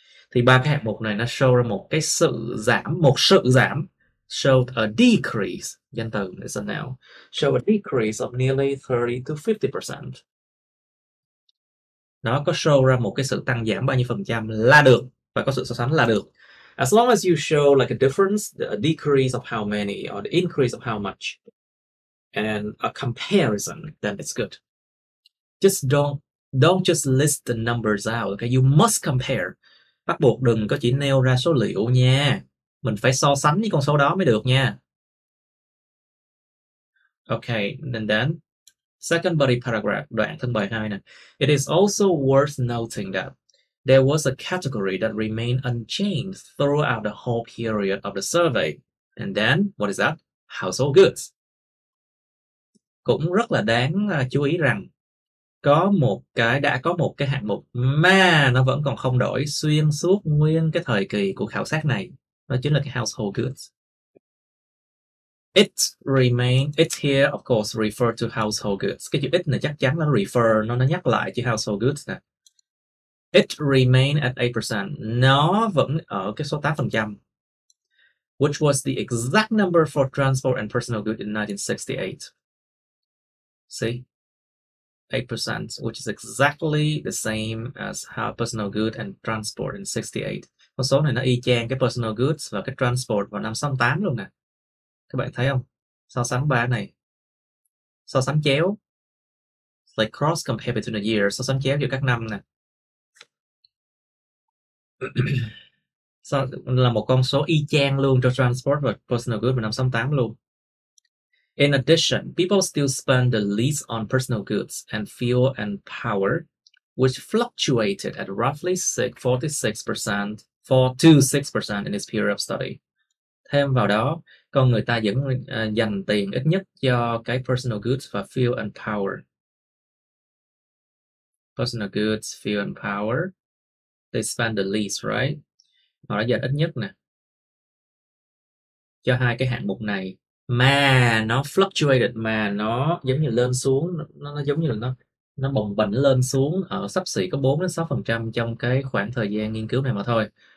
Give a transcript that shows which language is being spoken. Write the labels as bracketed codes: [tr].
[vi] Thì ba cái hạng mục này nó show ra một cái sự giảm, một sự giảm, [en] show a decrease, [vi] danh từ [en] is a noun, show a decrease of nearly 30 to 50%. [vi] Nó có show ra một cái sự tăng giảm bao nhiêu phần trăm là được, và có sự so sánh là được. [en] As long as you show like a difference, a decrease of how many or the increase of how much and a comparison, then it's good. Just don't just list the numbers out, okay? You must compare. [vi] Bắt buộc đừng có chỉ nêu ra số liệu nha. Mình phải so sánh với con số đó mới được nha. [en] Okay, and then second body paragraph, [vi] đoạn thân bài 2 nè. [en] It is also worth noting that there was a category that remained unchanged throughout the whole period of the survey. And then, what is that? Household goods. [vi] Cũng rất là đáng chú ý rằng đã có một cái hạng mục mà nó vẫn còn không đổi xuyên suốt nguyên cái thời kỳ của khảo sát này, đó chính là cái household goods. [en] It here of course refer to household goods. [vi] Cái chữ it này chắc chắn là refer, nó nhắc lại chữ household goods nè. [en] It remained at 8%, [vi] nó vẫn ở cái số 8%, [en] which was the exact number for transport and personal goods in 1968. See? 8%, which is exactly the same as how personal goods and transport in 68. [vi] Con số này nó y chang cái personal goods và cái transport vào năm 68 luôn nè. Các bạn thấy không? So sánh ba này. So sánh chéo. [en] Like cross compare between the years. [vi] So sánh chéo giữa các năm nè. So là một con số y chang luôn cho transport và personal goods vào năm 68 luôn. [en] In addition, people still spend the least on personal goods and fuel and power, which fluctuated at roughly 46%, 4 to 6% in this period of study. [vi] Thêm vào đó, con người ta vẫn dành tiền ít nhất cho cái personal goods và fuel and power. [en] Personal goods, fuel and power, they spend the least, right? [vi] Họ đã dành ít nhất nè cho hai cái hạng mục này. Mà nó fluctuated, mà nó giống như lên xuống, nó giống như là nó bồng bềnh lên xuống ở sắp xỉ có 4-6% trong cái khoảng thời gian nghiên cứu này mà thôi.